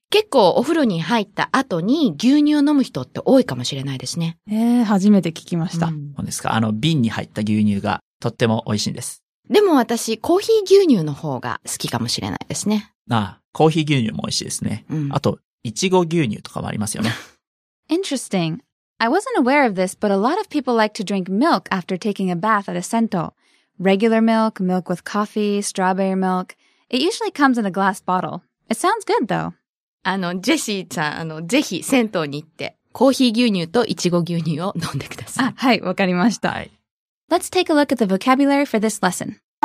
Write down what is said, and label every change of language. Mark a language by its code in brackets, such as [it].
[ja] 結構お風呂に入った後に牛乳を飲む人って多いかもしれないですね。初めて聞きました。そうですか。瓶に入った牛乳がとっても美味しいんです。でも私、コーヒー牛乳の方が好きかもしれないですね。ああ。コーヒー牛乳も美味しいですね。うん、あと、いちご牛乳とかもありますよね。 [en] Interesting. I wasn't aware of this, but a lot of people like to drink milk after taking a bath at a 銭湯. Regular milk, milk with coffee, strawberry milk. It usually comes in a glass bottle. It sounds good, though. [ja] ジェシーちゃん、ぜひ銭湯に行って、コーヒー牛乳といちご牛乳を飲んでください。あ、はい、わかりました。はい。 [en] Let's take a look at the vocabulary for this lesson.